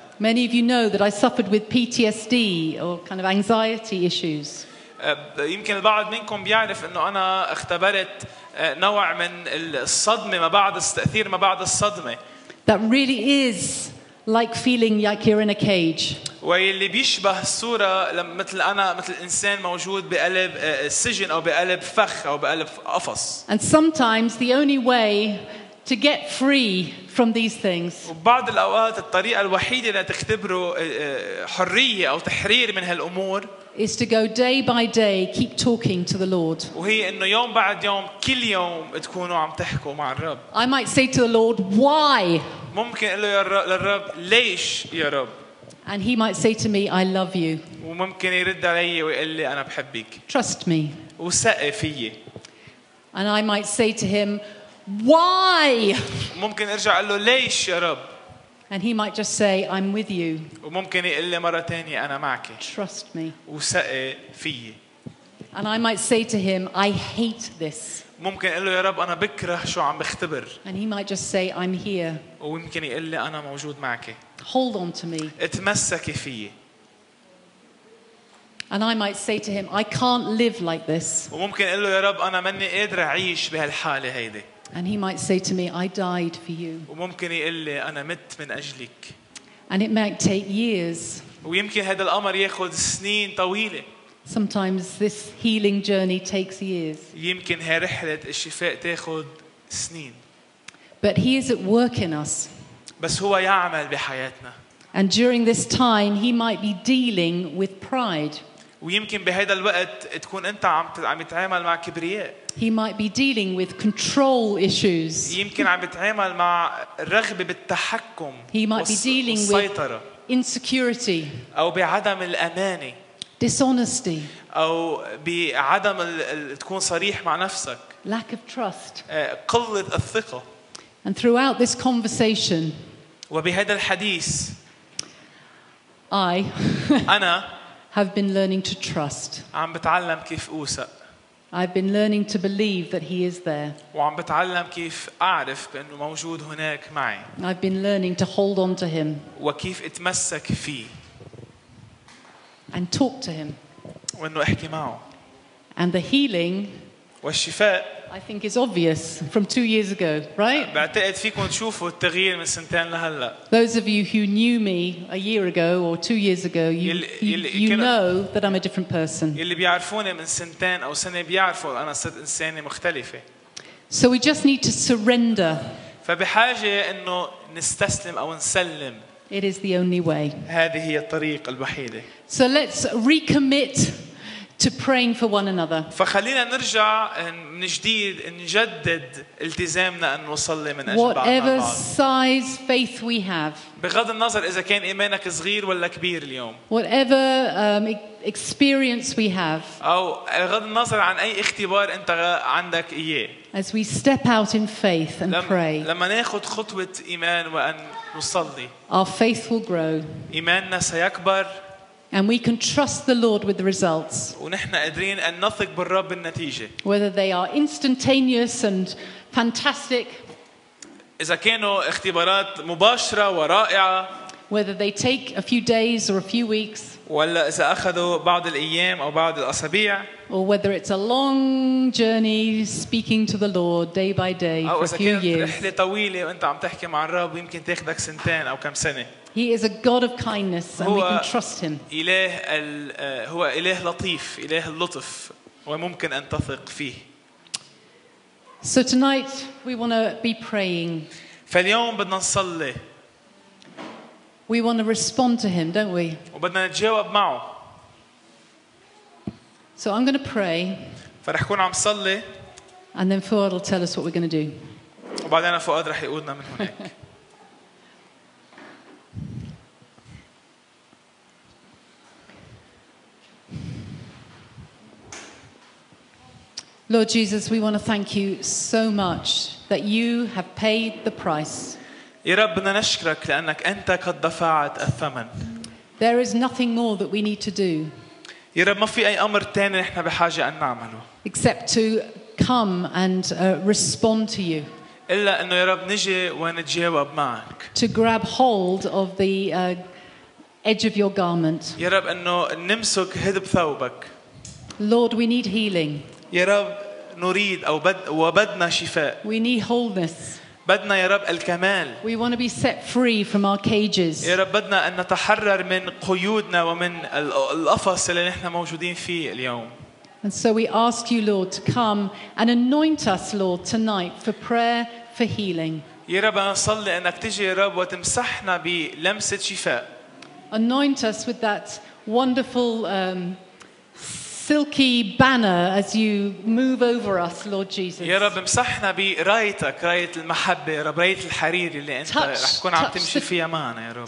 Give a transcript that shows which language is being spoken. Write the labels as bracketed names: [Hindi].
[English] Many of you know that I suffered with PTSD or kind of anxiety issues. [Arabic] يمكن البعض منكم بيعرف انه انا اختبرت نوع من الصدمه ما بعد التاثير ما بعد الصدمه. [English] That really is like feeling like you're in a cage. [Arabic] واللي بيشبه الصوره مثل انا مثل انسان موجود بقلب السجن او بقلب فخ او بقلب قفص. [English] And sometimes the only way to get free from these things. [Arabic] وبعض الاوقات الطريقه الوحيده لتختبروا حريه او تحرير من هالامور [English] is to go day by day, keep talking to the Lord. [Arabic] وهي إنه يوم بعد يوم كل يوم تكونوا عم تحكوا مع الرب. [English] I might say to the Lord, why? [Arabic] ممكن أقول له يا رب للرب ليش يا رب. [English] And he might say to me, I love you. [Arabic] وممكن يرد علي ويقول لي أنا بحبك. [English] Trust me. [Arabic] وثق فيي. [English] And I might say to him, why? [Arabic] ممكن أرجع أقول له ليش يا رب. [English] And he might just say, "I'm with you." [Arabic] وممكن يقول لي مرة تانية أنا معك. [English] Trust me. [Arabic] وثق فيي. [English] And I might say to him, "I hate this." [Arabic] ممكن يقول له يا رب أنا بكره شو عم بختبر. [English] And he might just say, "I'm here." [Arabic] وممكن يقول لي أنا موجود معك. [English] Hold on to me. [Arabic] اتمسكي فيي. [English] And I might say to him, "I can't live like this." [Arabic] وممكن يقول له يا رب أنا ماني قادر أعيش بهالحالة هيدي. [English] And he might say to me, "I died for you." [Arabic] وممكن يقول لي أنا مت من أجلك. [English] And it might take years. [Arabic] ويمكن هذا الأمر يأخذ سنين طويلة. [English] Sometimes this healing journey takes years. [Arabic] يمكن هاي رحلة الشفاء تأخذ سنين. [English] But he is at work in us. [Arabic] بس هو يعمل بحياتنا. [English] And during this time, he might be dealing with pride. [Arabic] ويمكن بهذا الوقت تكون أنت عم تتعامل مع كبرياء. [English] He might be dealing with control issues. [Arabic] يمكن عم بتعامل مع رغبة بالتحكم. [English] He might be dealing [Arabic] والسيطرة. [English] With insecurity. [Arabic] أو بعدم الأمانة. [English] Dishonesty. [Arabic] أو بعدم تكون صريح مع نفسك. [English] Lack of trust. [Arabic] قلة الثقة. [English] And throughout this conversation. [Arabic] وبهذا الحديث. [English] I. [Arabic] أنا. [English] have been learning to trust. [Arabic] عم بتعلم كيف أوثق. [English] I've been learning to believe that he is there. [Arabic] وعم بتعلم كيف أعرف بأنه موجود هناك معي. [English] I've been learning to hold on to him. [Arabic] وكيف اتمسك فيه. [English] And talk to him. [Arabic] وأنه أحكي معه. [English] And the healing. [Arabic] والشفاء. [English] I think is obvious from 2 years ago, right? [Arabic] بعتقد فيكم تشوفوا التغيير من سنتين لهلا. [English] Those of you who knew me a year ago or 2 years ago, you know that I'm a different person. [Arabic] اللي بيعرفوني من سنتين أو سنة بيعرفوا أنا صرت إنسانة مختلفة. [English] So we just need to surrender. [Arabic] فبحاجة إنه نستسلم أو نسلم. [English] It is the only way. [Arabic] هذه هي الطريق الوحيدة. [English] So let's recommit. To praying for one another. [Arabic] فخلينا نرجع من جديد نجدد التزامنا أن نصلي من أجل بعضنا. [English] Whatever size faith we have. [Arabic] بغض النظر إذا كان إيمانك صغير ولا كبير اليوم. [English] Whatever experience we have. [Arabic] أو بغض النظر عن أي اختبار أنت عندك إياه. [English] As we step out in faith and pray. [Arabic] لما نأخذ خطوة إيمان وأن نصلي. [English] Our faith will grow. [Arabic] إيماننا سيكبر. [English] And we can trust the Lord with the results. [Arabic] ونحن قادرين أن نثق بالرب النتيجة. [English] Whether they are instantaneous and fantastic. [Arabic] إذا كانوا اختبارات مباشرة ورائعة. [English] Whether they take a few days or a few weeks. [Arabic] ولا إذا أخذوا بعض الأيام أو بعض الأسابيع. [English] Or whether it's a long journey speaking to the Lord day by day for a few years. [Arabic] أو إذا كانت رحلة طويلة وأنت عم تحكي مع الرب يمكن تاخذك سنتين أو كم سنة. [English] He is a God of kindness and we can trust him. [Arabic] هو إله لطيف، إله اللطف وممكن أن تثق فيه. [English] So tonight we want to be praying. [Arabic] فاليوم بدنا نصلي. [English] We want to respond to him, don't we? [Arabic] وبدنا نتجاوب معه. [English] So I'm going to pray. [Arabic] فرح كون عم صلي. [English] And then Fuad will tell us what we're going to do. [Arabic] وبعدين فؤاد رح يقودنا من هناك. [English] Lord Jesus, we want to thank you so much that you have paid the price. [Arabic] يا رب بدنا نشكرك لأنك أنت قد دفعت الثمن. [English] There is nothing more that we need to do. [Arabic] يا رب ما في أي أمر تاني نحن بحاجة أن نعمله. [English] Except to come and respond to you. [Arabic] إلا إنه يا رب نجي ونتجاوب معك. [English] To grab hold of the edge of your garment. [Arabic] يا رب إنه نمسك هدب ثوبك. [English] Lord, we need healing. [Arabic] يا رب نريد أو بد وبدنا شفاء. [English] We need wholeness. [Arabic] بدنا يا رب الكمال. [English] We want to be set free from our cages. [Arabic] يا رب بدنا أن نتحرر من قيودنا ومن القفص اللي نحن موجودين فيه اليوم. [English] And so we ask you, Lord, to come and anoint us, Lord, tonight for prayer, for healing. [Arabic] يا رب نصلي أنك تجي يا رب وتمسحنا بلمسة شفاء. [English] Anoint us with that wonderful silky banner as you move over us, Lord Jesus. [Arabic] يا رب امسحنا برايتك, راية المحبة, راية الحرير اللي انت رح تكون عم تمشي فيها معنا يا رب.